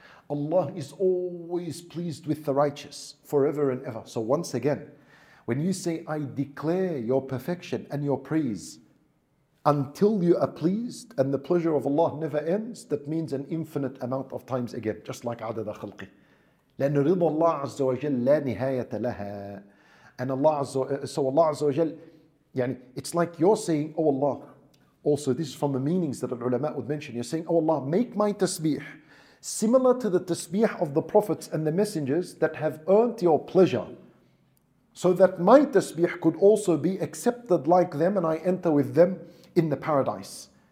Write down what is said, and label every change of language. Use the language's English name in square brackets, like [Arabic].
[English] Allah is always pleased with the righteous, forever and ever. So once again, when you say, I declare your perfection and your praise until you are pleased and the pleasure of Allah never ends, that means an infinite amount of times again, just like [Arabic] عدد خلقي. لأن رضا الله عز وجل لا نهاية لها. [English] And Allah Azza wa Jal, يعني, it's like you're saying, oh Allah, also this is from the meanings that al-ulama would mention, you're saying, oh Allah, make my tasbih similar to the tasbih of the prophets and the messengers that have earned your pleasure, so that my tasbih could also be accepted like them and I enter with them in the paradise.